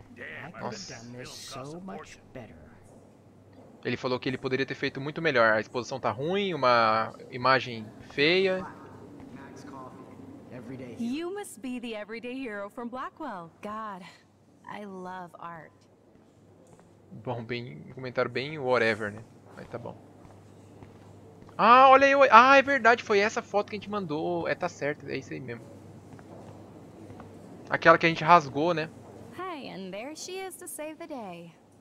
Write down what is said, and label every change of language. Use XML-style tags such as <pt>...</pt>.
<en>I could have done this so much better.</en> <pt>Ele falou que ele poderia ter feito muito melhor. A exposição tá ruim, uma imagem feia.</pt> <en>You must be the everyday hero from Blackwell. God, I love art.</en> <pt>Bom, bem, um comentário bem whatever, né? Mas tá bom. Ah, olha aí. Ah, é verdade, foi essa foto que a gente mandou. É, tá certo, é isso aí mesmo. Aquela que a gente rasgou, né?</pt> <en>Hey, and there she is to save the day.</en>